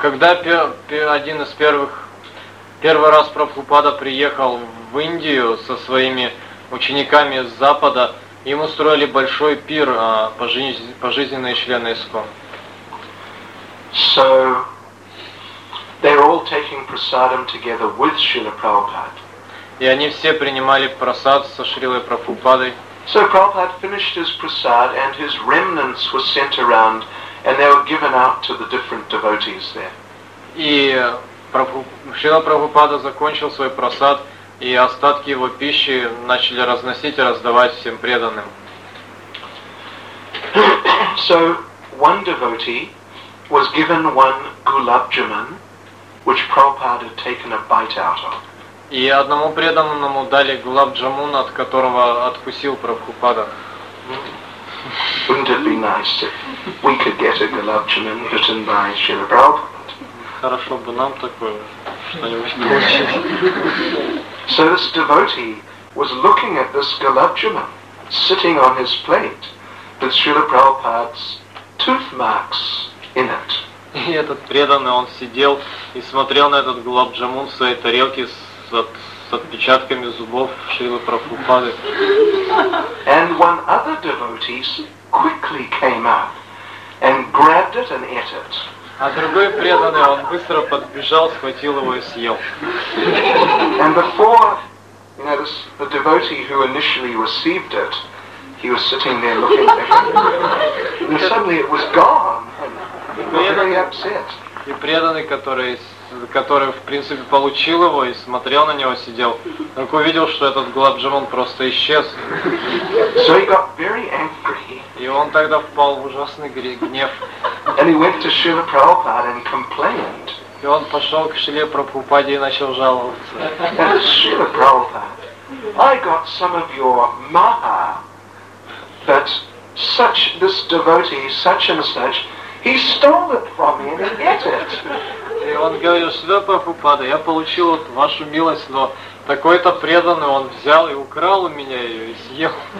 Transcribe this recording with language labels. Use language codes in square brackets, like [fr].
[ru] Когда один из первый раз Прабхупада приехал в Индию со своими учениками с Запада, им устроили большой пир пожизненные члены ИСКО. [en] So they were all taking prasadam together with Srila Prabhupada. [ru] И они все принимали прасад со Шрилой Прабхупадой. [en] So Prabhupada finished his prasad and his remnants were sent around and they were given out to the different devotees there. [ru] И Шрила Прабхупада закончил свой прасад, и остатки его пищи начали разносить и раздавать всем преданным. [en] So one devotee was given one gulab jamun, which Prabhupada had taken a bite out of. [ru] И одному преданному дали гулаб джамун, от которого откусил Прабхупада. [en] Wouldn't it be nice if we could get a gulab jamun bitten by Srila Prabhupada? [ru] Хорошо бы нам такое что-нибудь получить. [en] So this devotee was looking at this gulab jamun sitting on his plate with Srila Prabhupada's tooth marks in it. [ru] И этот преданный, он сидел и смотрел на этот гулаб джамун в своей тарелке с с отпечатками зубов Шрилы Прабхупады. [en] And one other devotee quickly came up and grabbed it and ate it. [ru] А другой преданный, он быстро подбежал, схватил его и съел. [en] And before, you know, this, the devotee who initially received it, he was sitting there looking at it. And suddenly it was gone. And he was very upset. [ru] И преданный, который в принципе получил его и смотрел на него, сидел, вдруг увидел, что этот гулабджамун просто исчез. [en] So he got very angry. [ru] И он тогда впал в ужасный гнев. [en] And he went to Srila Prabhupada and complained. [ru] И он пошел к Шриле Прабхупаде и начал жаловаться. [en] And Srila Prabhupada, I got some of your maha, but such this devotee, such and such, he stole it from me and he ate it. [ru] И он говорил: Шрила Прабхупада, я получил вот вашу милость, но такой-то преданный, он взял и украл у меня ее и съел.